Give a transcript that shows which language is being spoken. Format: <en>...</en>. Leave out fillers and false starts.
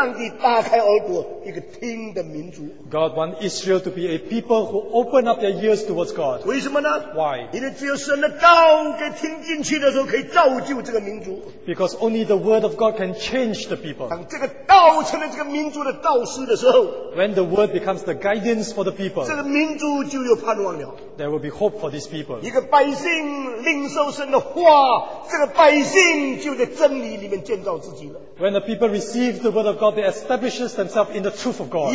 <zh>神要求以色列在众民族中间成为一个对上帝打开耳朵一个听的民族。</zh> <en>God wants Israel to be a people who open up their ears towards God.</en> <zh>为什么呢?</zh> <en>Why?</en> <zh>因为只有神的道给听进去的时候可以造就这个民族。</zh> <en>Because only the word of God can change the people.</en> <zh>当这个道成了这个民族的道士的时候,</zh> <en>when the word becomes the guidance for the people,</en> <zh>这个民族就有盼望了。</zh> <en>There will be hope for these people.</en> <zh>一个百姓领受神的话，这个百姓就在真理里面建造自己了。</zh> <en>When the people receive the word of God, they establish themselves in the truth of God.</en>